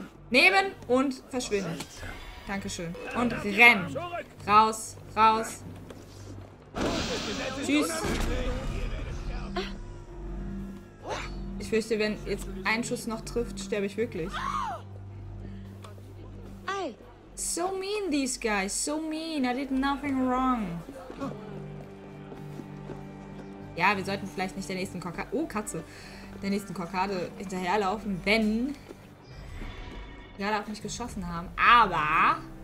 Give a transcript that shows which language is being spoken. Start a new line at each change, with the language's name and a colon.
German: Nehmen und verschwinden. Dankeschön. Und rennen. Raus, raus. Tschüss. Ich fürchte, wenn jetzt ein Schuss noch trifft, sterbe ich wirklich.
English: So mean, these guys. So mean. I did nothing wrong.
German: Ja, wir sollten vielleicht nicht der nächsten Krokade... Oh, Katze. Der nächsten Krokade hinterherlaufen, wenn... wir gerade auf mich geschossen haben. Aber...